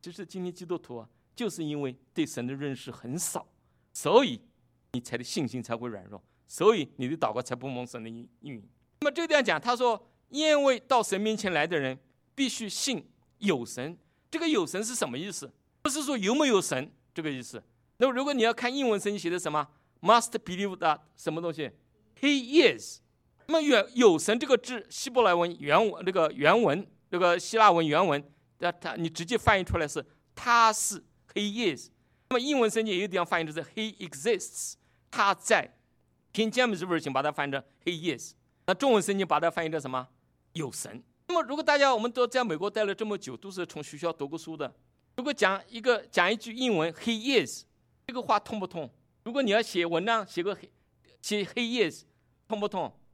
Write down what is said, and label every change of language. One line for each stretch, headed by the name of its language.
Chinese: 其实今天基督徒啊，就是因为对神的认识很少，所以你才的信心才会软弱，所以你的祷告才不蒙神的应允。那么这个地方讲，他说：“因为到神面前来的人必须信有神。” 这个有神是什么意思？不是说有没有神这个意思。那么如果你要看英文圣经写的什么？
English: Must believe that
Chinese: 什么东西
English: ？He is。
Chinese: 那么有神这个字，希伯来文原文这个原文，这个希腊文原文，你直接翻译出来是他是
English: He is。
Chinese: 那么英文圣经也有地方翻译成
English: He exists，
Chinese: 他在。 King James Version 把它翻译成
English: He is。
Chinese: 那中文圣经把它翻译成什么？有神。那么如果大家我们都在美国待了这么久，都是从学校读过书的，如果讲一句英文
English: He is，
Chinese: 这个话通不通？如果你要写文章，写
English: he is，
Chinese: 通不通？